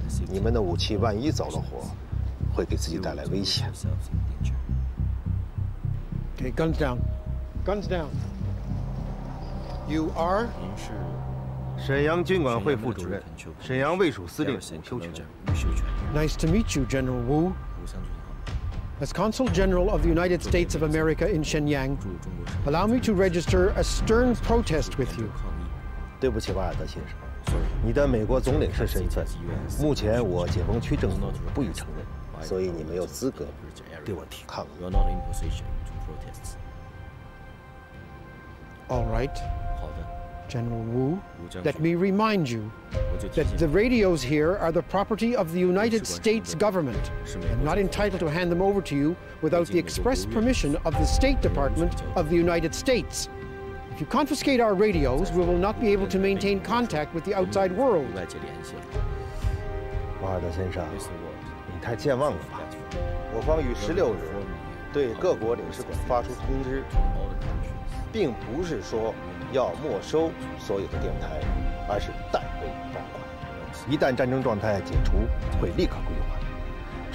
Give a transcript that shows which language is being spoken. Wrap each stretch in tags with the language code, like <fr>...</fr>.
<zh>你们的武器万一走了火，会给自己带来危险。</zh> <en>Okay, guns down, guns down. You are</en> <zh>沈阳军管会副主任、沈阳卫戍司令伍修权。</zh> <en>Nice to meet you, General Wu. As Consul General of the United States of America in Shenyang, allow me to register a stern protest with you.</en> <zh>对不起，瓦尔德先生，你的美国总领事身份，目前我解放区政府不予承认，所以你没有资格对我提抗议。</zh> <en>You're not in position to protest. All right. General Wu, let me remind you that the radios here are the property of the United States government. I'm not entitled to hand them over to you without the express permission of the State Department of the United States. If you confiscate our radios, we will not be able to maintain contact with the outside world.</en> <zh>瓦尔德先生，你太健忘了吧？我方于16日对各国领事馆发出通知，并不是说要没收所有的电台，而是代为放款。一旦战争状态解除，会立刻归还。</zh>